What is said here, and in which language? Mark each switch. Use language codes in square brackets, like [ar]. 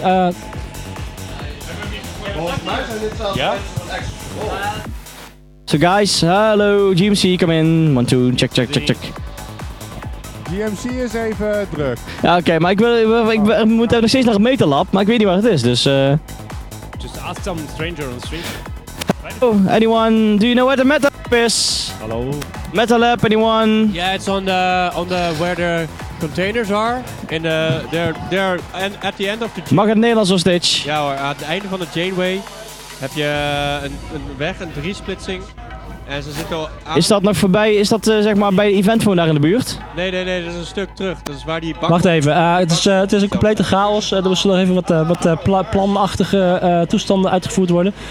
[nl] Hebben we [en] So guys, hello, GMC, come in. 1, 2, check, check, check, check. [nl] GMC is even druk. Ja, oké, okay, maar ik moet nog steeds naar een metalab, maar ik weet niet waar het is, dus... [en] Just ask some stranger on the street. Oh, anyone, do you know where the metalab is? Hello. Metalab, anyone? Yeah, it's on the where the containers are. In the, they're and at the end of the... [nl] Mag het Nederlands of stage? Ja hoor, aan het einde van de Janeway heb je een weg, een driesplitsing. En ze zitten al aan... Is dat nog voorbij? Is dat zeg maar bij de eventphone daar in de buurt? Nee, dat is een stuk terug. Dat is waar die bak... Wacht even, het is een complete chaos. Er moesten nog even wat planachtige toestanden uitgevoerd worden.